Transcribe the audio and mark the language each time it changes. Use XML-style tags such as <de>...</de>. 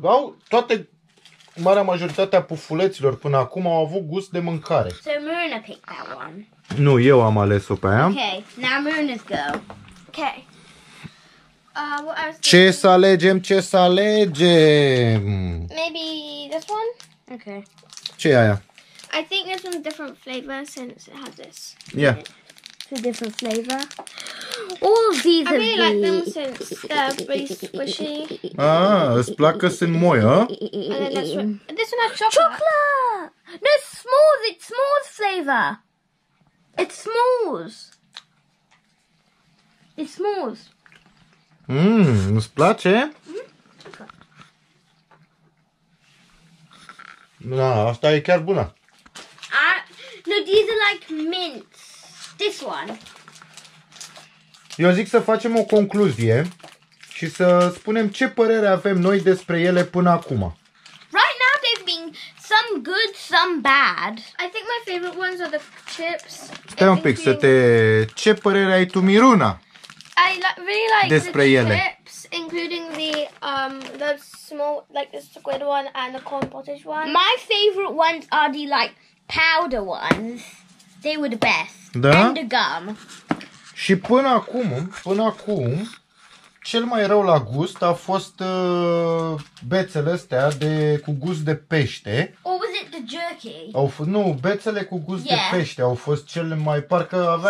<ro>Au toate, marea majoritatea pufuleților până acum au avut gust de mâncare.</ro> <en>So Moon picked that one.</en> <ro>Nu, eu am ales-o pe aia.</ro> <en>Okay, now Moon is go. Okay.</en> <ro>Ce să alegem, ce să alegem?</ro> <en>Maybe this one? Okay.</en> <ro>Ce e aia?</ro> <en>I think this one's different flavor since it has this. Yeah. A different flavor. All of these are really like them since they're really squishy.</en> <ro>Ah, îți plac că sunt moi, huh?</ro> <en>This one has chocolate. Chocolate! No, s'mores! It's s'mores flavor! It's s'mores! It's s'mores!</en> <ro>Mmm, îți place? Mm-hmm. Okay. Da, asta e chiar bună.</ro> <en>No, these are like mints. This one.</en> <ro>Eu zic să facem o concluzie și să spunem ce părere avem noi despre ele până acum.</ro> <en>Right now they've been some good, some bad. I think my favorite ones are the chips.</en> <ro>Stai un pic să te... Ce părere ai tu, Miruna?</ro> <en>I really like</en> <ro>despre</ro> <en>the</en> <ro>ele.</ro> <en>Chips, including the small, like the squid one and the corn pottage one. My favorite ones are the like powder ones. They were the best.</en> <ro>Da?</ro> <en>And the gum.</en> <ro>Și până acum, cel mai rău la gust a fost bețele astea de cu gust de pește.</ro> <en>Or was it the jerky?</en> <ro>Nu, bețele cu gust de pește au fost cele mai parcă avea</ro>